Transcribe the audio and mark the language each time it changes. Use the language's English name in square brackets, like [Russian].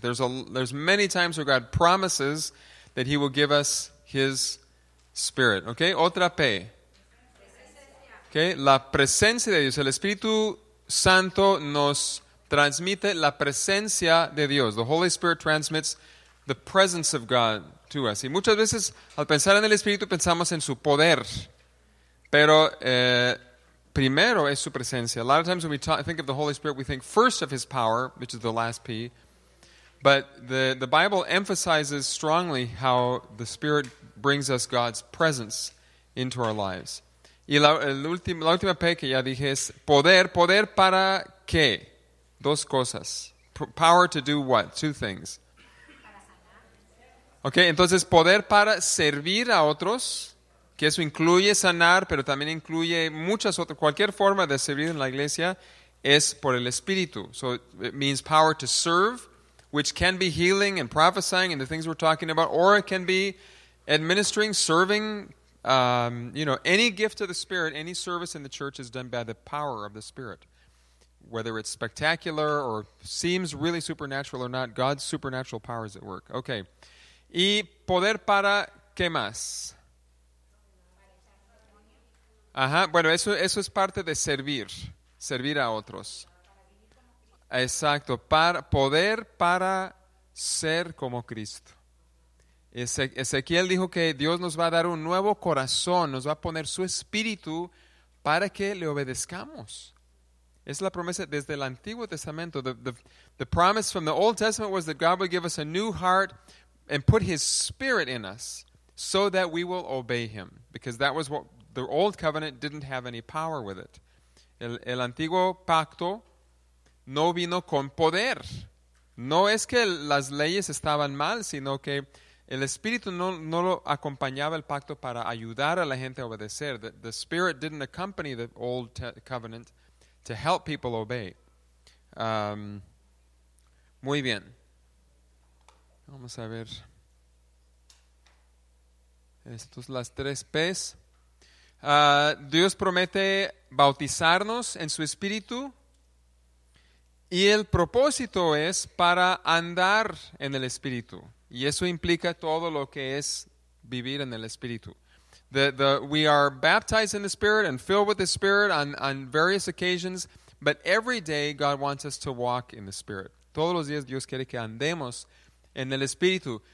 [English] There's many times where God promises that He will give us His Spirit. [Spanish] Okay, otra P. Okay, la presencia de Dios. El Espíritu Santo nos transmite la presencia de Dios. The Holy Spirit transmits the presence of God to us. Y muchas veces al pensar en el Espíritu pensamos en su poder. Pero primero es su presencia. [English] A lot of times when we think of the Holy Spirit, we think first of His power, which is the last P. But the Bible emphasizes strongly how the Spirit brings us God's presence into our lives. [Spanish] Y la última P que ya dije es poder. ¿Poder para qué? Dos cosas. [English] Power to do what? Two things. [Spanish] Okay, entonces poder para servir a otros, que eso incluye sanar, pero también incluye muchas otras. Cualquier forma de servir en la iglesia es por el Espíritu. [English] So it means power to serve, which can be healing and prophesying and the things we're talking about, or it can be administering, serving. Any gift of the Spirit, any service in the church is done by the power of the Spirit. Whether it's spectacular or seems really supernatural or not, God's supernatural power is at work. [Spanish] Okay. ¿Y poder para qué más? Ajá. Bueno, eso es parte de servir. Servir a otros. Exacto. Poder para ser como Cristo. Ezequiel dijo que Dios nos va a dar un nuevo corazón, nos va a poner su espíritu para que le obedezcamos. Es la promesa desde el Antiguo Testamento. [English] The promise from the Old Testament was that God would give us a new heart and put His Spirit in us so that we will obey Him. Because that was what the Old Covenant didn't have any power with it. [Spanish] El Antiguo Pacto no vino con poder. No es que las leyes estaban mal, sino que el Espíritu no lo acompañaba el pacto para ayudar a la gente a obedecer. [English] The Spirit didn't accompany the Old Covenant to help people obey. [Spanish] Muy bien. Vamos a ver. Estas son las tres P's. Dios promete bautizarnos en su Espíritu. Y el propósito es para andar en el Espíritu. Y eso implica todo lo que es vivir en el Espíritu. [English] We are baptized in the Spirit and filled with the Spirit on various occasions, but every day God wants us to walk in the Spirit. [Spanish] Todos los días Dios quiere que andemos en el Espíritu.